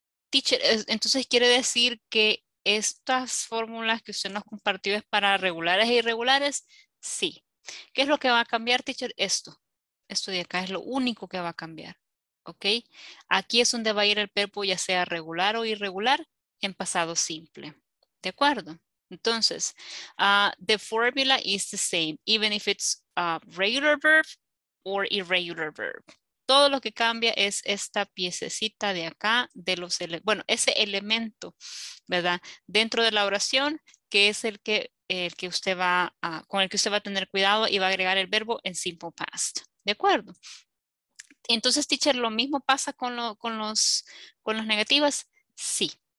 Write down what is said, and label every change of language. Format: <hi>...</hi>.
<es>Teacher, entonces quiere decir que estas fórmulas que usted nos compartió es para regulares e irregulares, sí. ¿Qué es lo que va a cambiar, teacher? Esto. Esto de acá es lo único que va a cambiar. ¿Ok? Aquí es donde va a ir el verbo, ya sea regular o irregular, en pasado simple. ¿De acuerdo?</es> <en>Entonces, the formula is the same, even if it's a regular verb or irregular verb.</en> <es>Todo lo que cambia es esta piececita de acá, de los ese elemento, ¿verdad? Dentro de la oración, que es el que usted va a, con el que usted va a tener cuidado y va a agregar el verbo en simple past. ¿De acuerdo? Entonces, teacher, ¿lo mismo pasa con las negativas? Sí.</es>